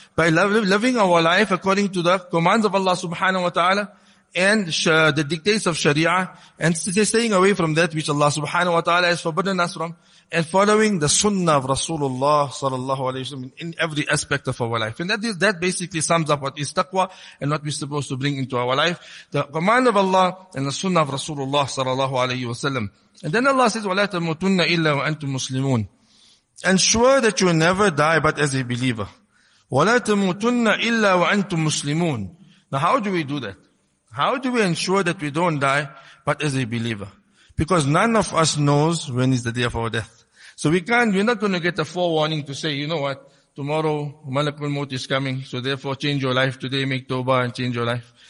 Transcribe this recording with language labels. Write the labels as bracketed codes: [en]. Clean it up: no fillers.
[en] By living our life according to the commands of Allah subhanahu wa ta'ala and the dictates of Sharia, and staying away from that which Allah subhanahu wa ta'ala has forbidden us from, and following the sunnah of Rasulullah sallallahu alayhi wa sallam in every aspect of our life. And that basically sums up what is taqwa and what we're supposed to bring into our life. The command of Allah and the sunnah of Rasulullah sallallahu alayhi wa sallam. And then Allah says, [ar] وَلَا تَمُوتُنَّ إِلَّا وَأَنْتُمْ مُسْلِمُونَ. [en] Ensure that you never die but as a believer. [ar] وَلَا تَمُوتُنَّ إِلَّا وَأَنْتُمْ مُسْلِمُونَ. [en] Now how do we do that? How do we ensure that we don't die but as a believer? Because none of us knows when is the day of our death. So we're not going to get a forewarning to say, you know what, tomorrow Malakul Maut is coming, so therefore change your life today, make Tawbah and change your life.